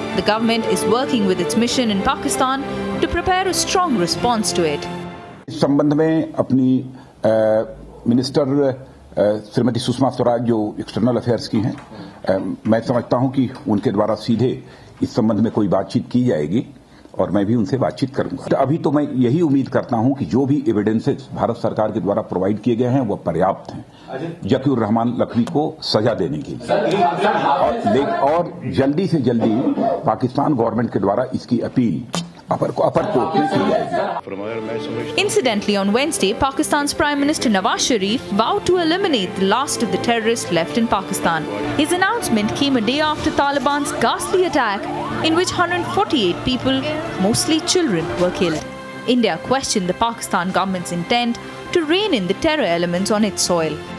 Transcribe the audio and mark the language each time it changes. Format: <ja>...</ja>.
<en>The government is working with its mission in Pakistan to prepare a strong response to it. In this regard, our Minister, Srimati Sushma Swaraj, who is external affairs, I understand that she will be directly talked about in this regard.</en> <hi>और मैं भी उनसे बातचीत करूंगा। अभी तो मैं यही उम्मीद करता हूं कि जो भी एविडेंसेस भारत सरकार के द्वारा प्रोवाइड किए गए हैं वो पर्याप्त हैं जकीर रहमान लखवी को सजा देने के लिए और जल्दी से जल्दी पाकिस्तान गवर्नमेंट के द्वारा इसकी अपील अपर कोर्ट में की जाएगी।</hi> <en>Incidentally, on Wednesday, Pakistan's Prime Minister Nawaz Sharif vowed to eliminate the last of the terrorists left in Pakistan. His announcement came a day after Taliban's ghastly attack, in which 148 people, mostly children, were killed. India questioned the Pakistan government's intent to rein in the terror elements on its soil.</en>